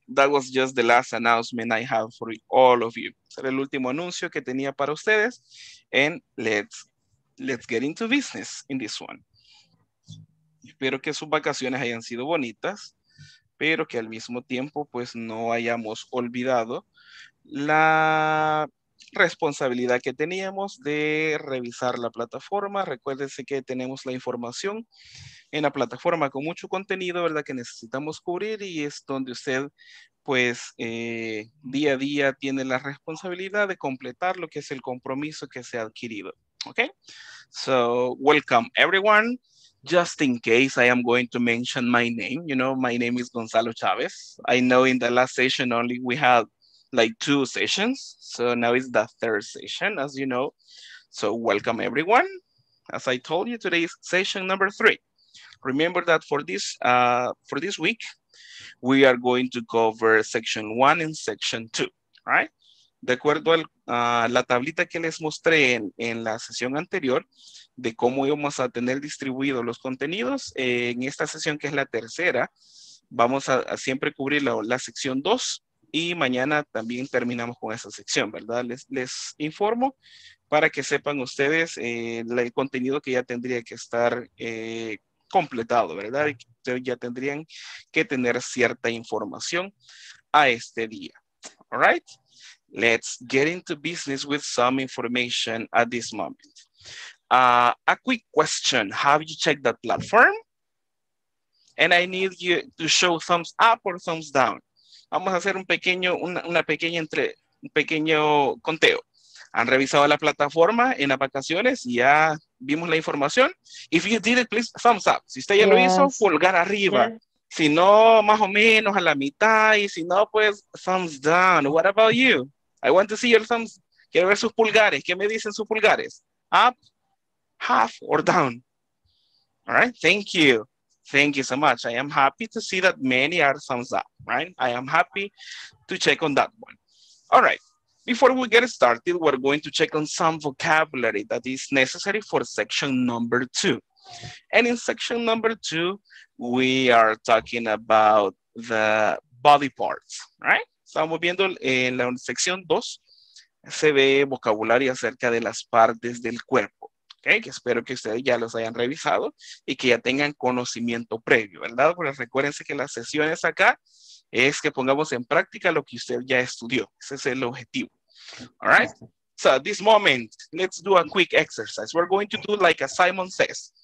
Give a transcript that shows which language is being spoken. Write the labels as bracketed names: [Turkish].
[English] That was just the last announcement I have for all of you. [Spanish] Será el último anuncio que tenía para ustedes. [English] And let's get into business in this one. [Spanish] Espero que sus vacaciones hayan sido bonitas, pero que al mismo tiempo, pues, no hayamos olvidado la responsabilidad que teníamos de revisar la plataforma. Recuérdense que tenemos la información en la plataforma con mucho contenido, ¿verdad?, que necesitamos cubrir, y es donde usted, pues, día a día tiene la responsabilidad de completar lo que es el compromiso que se ha adquirido. [English] Okay, so welcome everyone. Just in case I am going to mention my name, you know, my name is Gonzalo Chavez. I know in the last session only we had like two sessions. So now it's the third session, as you know. So welcome everyone. As I told you, today is session number three. Remember that for this week, we are going to cover section one and section two, right? [Spanish] De acuerdo a la tablita que les mostré en la sesión anterior de cómo íbamos a tener distribuidos los contenidos, en esta sesión, que es la tercera, vamos a siempre cubrir la sección 2, y mañana también terminamos con esa sección, ¿verdad? Les informo para que sepan ustedes el contenido que ya tendría que estar completado, ¿verdad? Y que ya tendrían que tener cierta información a este día. [English] All right? Let's get into business with some information at this moment. A quick question. Have you checked that platform? And I need you to show thumbs up or thumbs down. [Spanish] Vamos a hacer un pequeño conteo. ¿Han revisado la plataforma en las vacaciones? ¿Ya vimos la información? [English] If you did it, please thumbs up. [Spanish] Si usted ya lo hizo, pulgar arriba. [English] Yeah. [Spanish] Si no, más o menos a la mitad. Y si no, pues [English] thumbs down. What about you? I want to see your thumbs. [Spanish] Quiero ver sus pulgares. ¿Qué me dicen sus pulgares? [English] Up, half, or down? All right. Thank you. Thank you so much. I am happy to see that many are thumbs up, right? I am happy to check on that one. All right. Before we get started, we're going to check on some vocabulary that is necessary for section number two. And in section number two, we are talking about the body parts, right? [Spanish] Estamos viendo en la sección 2, se ve vocabulario acerca de las partes del cuerpo, ¿okay? Que espero que ustedes ya los hayan revisado y que ya tengan conocimiento previo, ¿verdad? Porque recuérdense que las sesiones acá es que pongamos en práctica lo que usted ya estudió. Ese es el objetivo. [English] All right? So, at this moment, let's do a quick exercise. We're going to do like a Simon Says.